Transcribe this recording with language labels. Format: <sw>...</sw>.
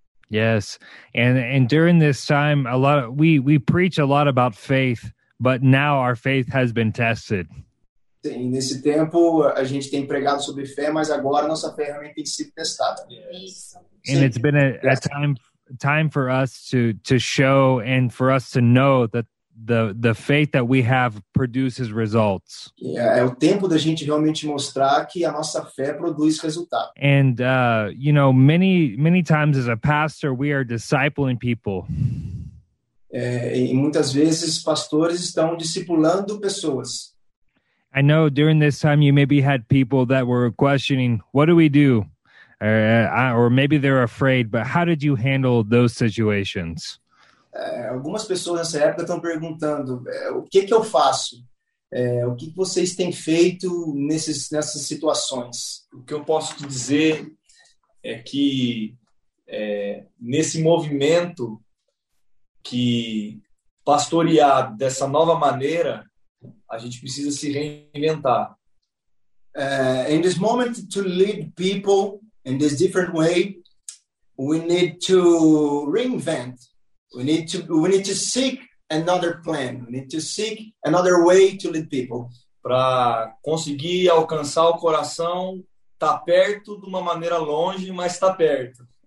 <en>Yes, and during this time, a lot of, we preach a lot about faith, but now our faith has been tested.</en> <pt>Sim, nesse tempo a gente tem pregado sobre fé, mas agora nossa fé realmente tem sido testada.</pt> <en>Yes. And it's been a time for us to show and for us to know that the faith that we have produces results.</en> <pt>Yeah, é o tempo da gente realmente mostrar que a nossa fé produz resultado.</pt> <en>And you know, many times as a pastor, we are discipling people.</en> <pt>E muitas vezes pastores estão discipulando pessoas.</pt> <en>I know during this time you maybe had people that were questioning, what do we do? Or maybe they're afraid, but how did you handle those situations?</en> <pt>Algumas pessoas nessa época estão perguntando, o que eu faço? O que vocês têm feito nessas situações? O que eu posso te dizer é que nesse movimento que pastorear dessa nova maneira, a gente precisa se reinventar.</pt> <en>In this moment to lead people in this different way, we need to reinvent. We need to seek another plan. We need to seek another way to lead people.</en> <pt>Para conseguir alcançar o coração, tá perto de uma maneira longe, mas está perto.</pt>